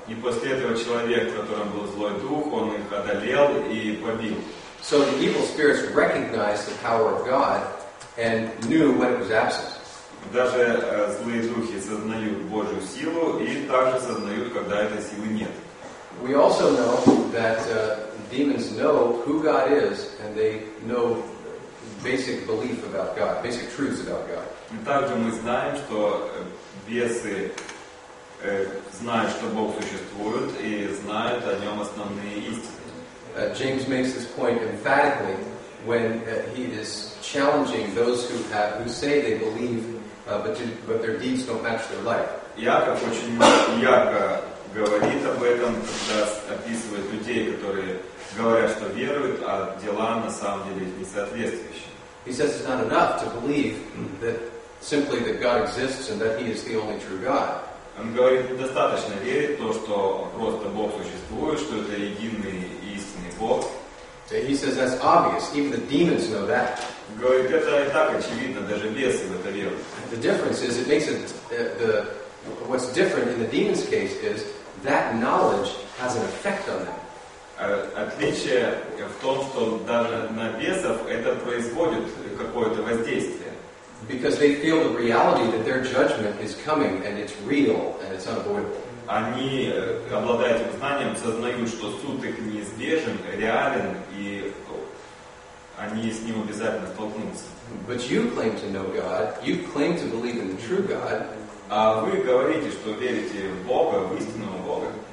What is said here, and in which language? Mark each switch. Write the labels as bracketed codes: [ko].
[ru] И после этого человек, в котором был злой дух, он их одолел и побил. [en] So the evil spirits recognized the power of God and knew when it was absent. [ru] Даже злые духи сознают Божью силу и также сознают, когда этой силы нет. [en] We also know that demons know who God is and they know basic belief about God, basic truths about God. [ru] И также мы знаем, что бесы знают, что Бог существует, и знают о нем основные истины. [en] James makes this point emphatically when he is challenging those who say they believe, but their deeds don't match their life. [ru] Иаков очень ярко говорит об этом, когда описывает людей, которые говорят, что веруют, а дела на самом деле не соответствующие. [en] He says it's not enough to believe that simply that God exists and that He is the only true God. [ru] Он говорит, недостаточно верить в то, что просто Бог существует, что это единый и истинный Бог. [en] He says that's obvious. Even the demons know that. [ru] Говорит, это и так очевидно, даже бесы в это верят. [en] The difference is, it makes it what's different in the demons' case is that knowledge has an effect on them. [ru] Отличие в том, что даже на бесов это производит какое-то воздействие. [en] Because they feel the reality that their judgment is coming and it's real and it's unavoidable. [ru] Они обладают этим знанием, сознают, что суд их неизбежен, реален, и они с ним обязательно столкнутся. [en] But you claim to know God. You claim to believe in the true God. [ru] А вы говорите, что верите в Бога, в истинного Бога.